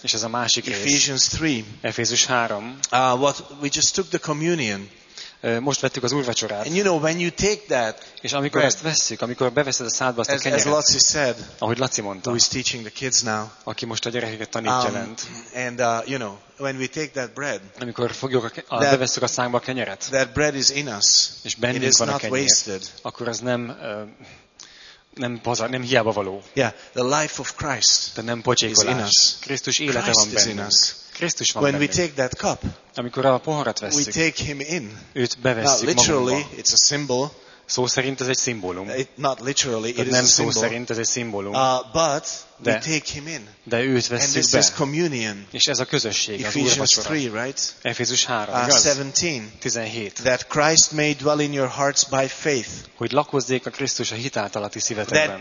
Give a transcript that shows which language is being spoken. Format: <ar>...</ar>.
<hu>És ez a másik rész.</hu> <en>Ephesians 3.</en> <hu>Efézus 3.</hu> <en>We just took the communion.</en> <hu>most vettük az úrvacsorát.</hu> <en>And you know, when you take that,</en> <hu>és amikor ezt veszik, amikor beveszed a szádba azt a kenyeret,</hu> <en>as Laci said,</en> <hu>ahogy Laci mondta,</hu> <en>who is teaching the kids now,</en> <hu>aki most a gyerekeket tanítja lent,</hu> <en>and you know, when we take that bread,</en> <hu>amikor fogjuk beveszük a szánkba a kenyeret,</hu> <en>that bread is in us,</en> <hu>és bennünk</hu> <en>it is</en> <hu>van</hu> <en>not</en> <hu>a kenyér,</hu> <en>wasted,</en> <hu>akkor az nem nem pazar, nem hiába való.</hu> <en>Yeah, the life of Christ,</en> <hu>de nem pocsékolás,</hu> <en>is in us.</en> <hu>Krisztus élete</hu> <en>Christ</en> <hu>van bennünk. Krisztus van</hu> <en>when we take that cup,</en> <hu>amikor a poharat vesszük,</hu> <en>we take him in.</en> <hu>Őt bevesszük magunkba.</hu> <en>Literally, it's a symbol.</en> <hu>Szó szerint ez egy szimbólum.</hu> <en>Not literally, it is</en> <hu>nem</hu> <en>a symbol.</en> <hu>Szó szerint ez egy szimbólum.</hu> <en>But de, we take him in.</en> <hu>De őt vesszük</hu> <en>and this</en> <hu>be.</hu> <en>Is communion.</en> <hu>És ez a közösség,</hu> <en>Ephesians</en> <hu>az úrvacsora.</hu> <en>3, right?</en> <hu>Efézus 3, 17.</hu> <en>That Christ may dwell in your hearts by faith.</en> <hu>Hogy lakozzék a Krisztus a hit által a ti szívetekben.</hu>